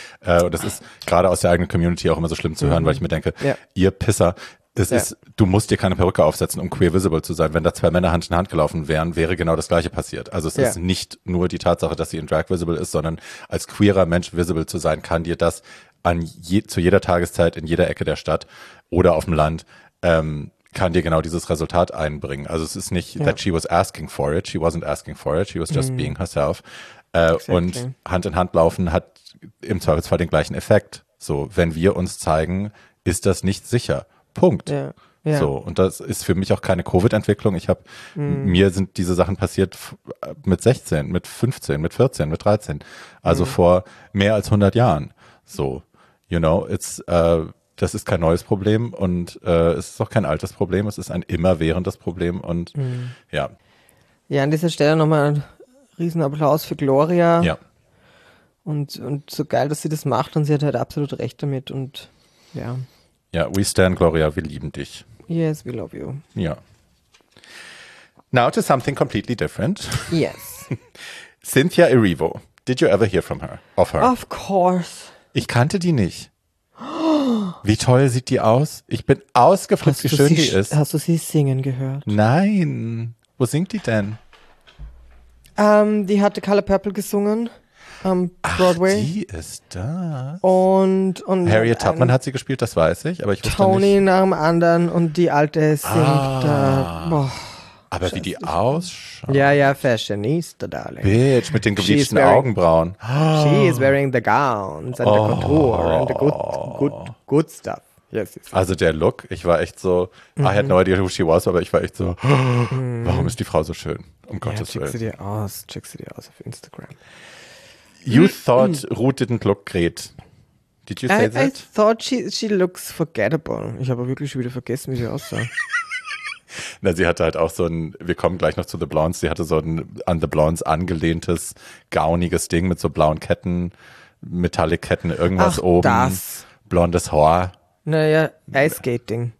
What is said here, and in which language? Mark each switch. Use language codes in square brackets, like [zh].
[de] Und das ist gerade aus der eigenen Community auch immer so schlimm zu hören, weil ich mir denke, ihr Pisser, es ist, du musst dir keine Perücke aufsetzen, um queer visible zu sein. Wenn da zwei Männer Hand in Hand gelaufen wären, wäre genau das Gleiche passiert. Also es ist nicht nur die Tatsache, dass sie in Drag visible ist, sondern als queerer Mensch visible zu sein, kann dir das zu jeder Tageszeit in jeder Ecke der Stadt oder auf dem Land kann dir genau dieses Resultat einbringen. [en] Also es ist nicht, that she was asking for it. She wasn't asking for it. She was just being herself. [de] Und Hand in Hand laufen hat im Zweifelsfall den gleichen Effekt. So, wenn wir uns zeigen, ist das nicht sicher. Punkt. Ja. Ja. So, und das ist für mich auch keine Covid-Entwicklung. Ich habe mir sind diese Sachen passiert mit 16, mit 15, mit 14, mit 13. Also vor mehr als 100 Jahren. So, you know, it's das ist kein neues Problem und es ist auch kein altes Problem, es ist ein immerwährendes Problem und ja. Ja, an dieser Stelle nochmal einen Riesenapplaus für Gloria. Ja. Und so geil, dass sie das macht und sie hat halt absolut recht damit und ja. Ja, we stand, Gloria, wir lieben dich. [en] Yes, we love you. [de] Ja. [en] Now to something completely different. Yes. Cynthia Erivo, did you ever hear from her? Of her? Of course. [de] Ich kannte die nicht. Wie toll sieht die aus? Ich bin ausgeflippt, wie schön die ist. Hast du sie singen gehört? Nein. Wo singt die denn? Die hat The Color Purple gesungen am Broadway. Ach, die ist das. Und Harriet Tubman hat sie gespielt, das weiß ich. Aber ich wusste Tony nicht. Nach dem anderen und die alte singt da. Boah. Aber wie die ausschaut. Ja, ja, Fashionista, darling. Bitch, mit den gebleachten Augenbrauen. [en] She is wearing the gowns and the contour and the good stuff. Yes, yes. [de] Also der Look, ich war echt so, I had no idea who she was, aber ich war echt so, warum ist die Frau so schön? Um Gottes Willen. Check sie dir aus, check sie dir aus auf Instagram. [en] You thought Ruth didn't look great. Did you say that? I thought she looks forgettable. [de] Ich habe wirklich schon wieder vergessen, wie sie aussah. Na, sie hatte halt auch so ein, wir kommen gleich noch zu The Blondes, sie hatte so ein an The Blondes angelehntes, gauniges Ding mit so blauen Ketten, Metallic-Ketten, irgendwas Ach, oben. Das. Blondes Haar. Naja, Ice-Skating.